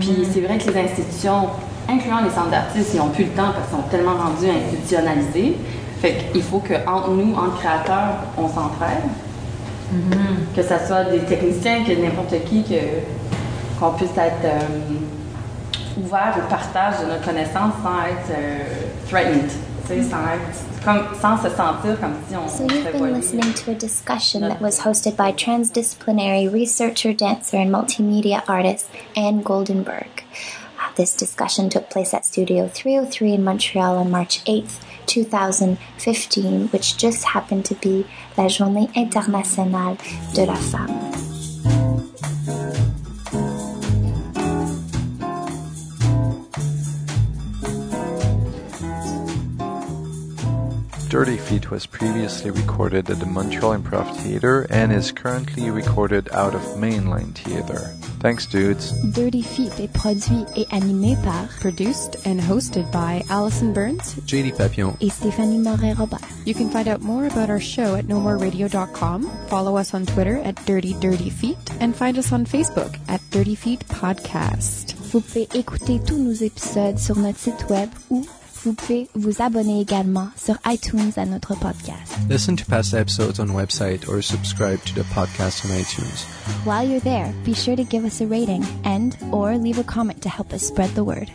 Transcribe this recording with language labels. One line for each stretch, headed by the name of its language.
French: Puis c'est vrai que les institutions, incluant les centres d'artistes, ils n'ont plus le temps parce qu'ils sont tellement rendus institutionnalisés. Fait qu'il faut qu'entre nous, entre créateurs, on s'entraide. Mm-hmm. Que ce soit des techniciens, que n'importe qui, qu'on puisse être ouvert au partage de nos connaissances sans être threatened.
English: So you've been listening to a discussion that was hosted by transdisciplinary researcher, dancer, and multimedia artist Anne Goldenberg. This discussion took place at Studio 303 in Montreal on March 8th, 2015, which just happened to be La Journée Internationale de la Femme. Dirty Feet was previously recorded at the Montreal Improv Theatre and is currently recorded out of Mainline Theatre. Thanks, dudes.
French: Dirty Feet est produit et animé par,
English: produced and hosted by Allison Burns, JD Papillon,
French: et Stéphanie Moret-Robert.
English: You can find out more about our show at nomoreradio.com, follow us on Twitter at DirtyDirtyFeet, and find us on Facebook at Dirty Feet Podcast.
French: Vous pouvez écouter tous nos épisodes sur notre site web ou vous pouvez vous abonner également sur iTunes à notre podcast.
English: Listen to past episodes on website or subscribe to the podcast on iTunes. While you're there, be sure to give us a rating and or leave a comment to help us spread the word.